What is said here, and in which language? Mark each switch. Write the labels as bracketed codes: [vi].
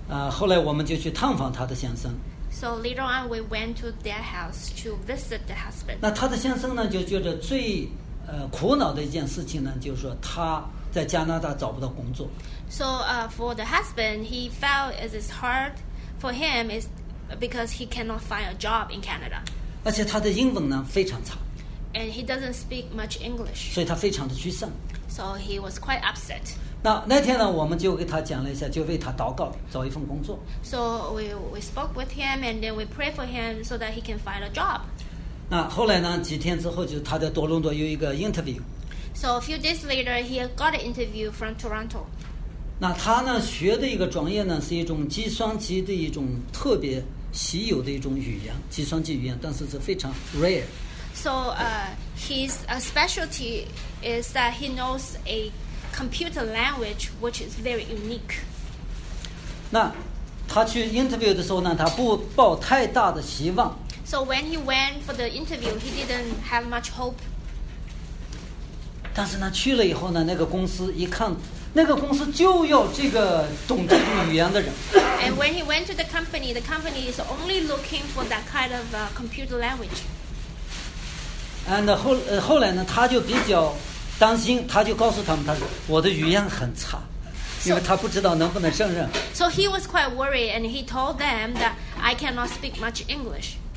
[zh] 后来我们就去探访他的先生。 [en] So later on, we went to their house to visit the husband. [zh] 那他的先生呢，就觉得最苦恼的一件事情呢，就是说他在加拿大找不到工作。 [en] So for the husband, he felt it is hard for him is because he cannot find a job in Canada. [zh] 而且他的英文呢非常差。 [en] And he doesn't speak much English. [zh] 所以他非常的沮丧。 [en] So he was quite upset. [zh] 那天呢，我们就给他讲了一下，就为他祷告，找一份工作。 [en] So we spoke with him, and then we prayed for him so that he can find a job. [zh] 那后来呢，几天之后，就他在多伦多有一个 interview. [en] So a few days later, he got an interview from Toronto. [zh] 那他呢，学的一个专业呢，是一种计算机的一种特别稀有的一种语言，计算机语言，但是是非常 rare. [en] So his specialty is that he knows a computer language which is very unique. [zh] 那他去 interview 的时候呢，他不抱太大的希望。 [en] So when he went for the interview, he didn't have much hope. [zh] 但是呢，去了以后呢，那个公司一看，那个公司就要这个懂这种语言的人。 [en] And when he went to the company is only looking for that kind of computer language. [zh] And 后来呢，他就比较担心，他就告诉他们，他说我的语言很差，因为他不知道能不能胜任。 [en] So he was quite worried, and he told them that I cannot speak much English.